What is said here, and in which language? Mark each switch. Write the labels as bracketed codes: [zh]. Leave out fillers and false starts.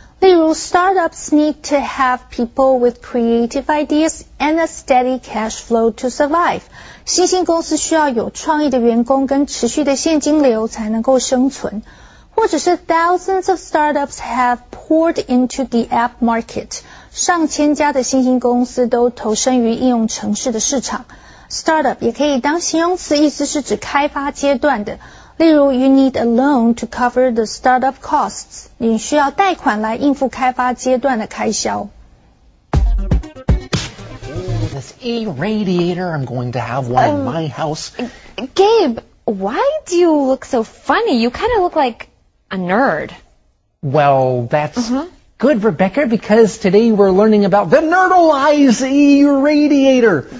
[zh] 例如 [en] startups need to have people with creative ideas and a steady cash flow to survive。 [zh] 新兴公司需要有创意的员工跟持续的现金流才能够生存。或者是 [en] thousands of startups have poured into the app market。 [zh] 上千家的新兴公司都投身于应用程式的市场。 Startup 也可以当形容词，意思是指开发阶段的。例如 [en] ,you need a loan to cover the startup costs. [zh] 你需要贷款来应付开发阶段的开销。 [en] This e-radiator, I'm going to have one in my house. Gabe, why do you look so funny? You kind of look like a nerd. Well, that's...、Mm-hmm. Good, Rebecca, because today we're learning about the Nerdalyze e-radiator.